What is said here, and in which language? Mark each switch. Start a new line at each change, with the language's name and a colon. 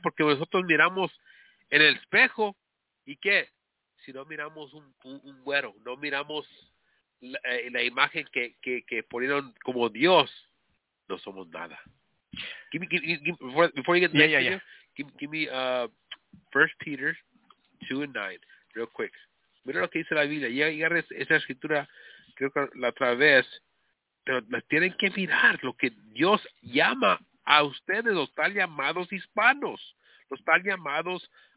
Spanish: Porque nosotros miramos en el espejo, ¿y qué? Si no miramos un güero, no miramos la imagen que ponieron como Dios, no somos nada.
English: Before you get to the next video, give me 1 Peter 2 and 9, real quick.
Spanish: Mira lo que dice la Biblia. Y agarré esa escritura, creo que la otra vez, pero tienen que mirar lo que Dios llama a ustedes, los tan llamados hispanos, los tan llamados